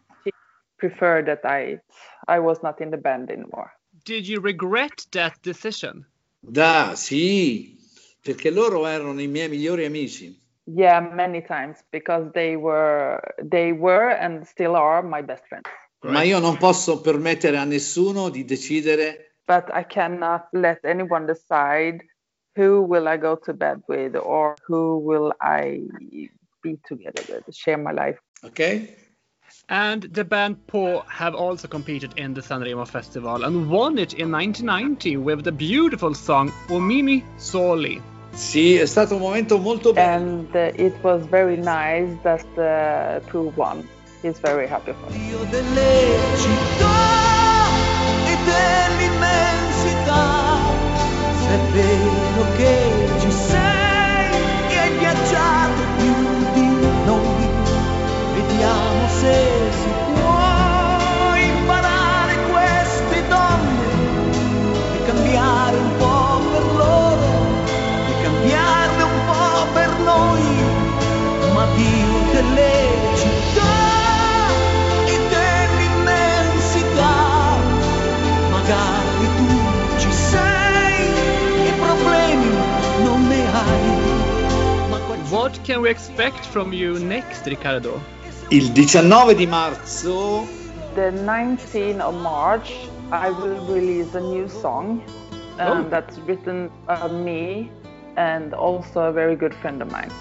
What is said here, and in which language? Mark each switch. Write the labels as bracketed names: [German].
[English] He preferred that I was not in the band anymore. Did you regret that decision? [Italian] Da, sì. Perché loro erano I miei migliori amici. [English] Yeah, many times because they were and still are my best friends. Great. [Italian] Ma io non posso permettere a nessuno di decidere. [English] But I cannot let anyone decide who will I go to bed with or who will I be together with, share my life. Okay. And the band Poor have also competed in the Sanremo Festival and won it in 1990 with the beautiful song Omini Soli. [Italian] Sì, è stato un momento molto bello. [English] And it was very nice that the Poor won. He's very happy for it. [Italian] Dio delle città e dell'immensità, se vedo che ci sei e hai viaggiato più di noi. Vediamo se si può imparare queste donne e cambiare un po' per loro e cambiarle un po' per noi, ma più delle città e dell'immensità. Magari tu ci sei e problemi non ne hai. Ma [English] what can we expect from you next, Riccardo? [Italian] Il 19 di marzo. [English] The 19th of March, I will release a new song that's written by me and also a very good friend of mine.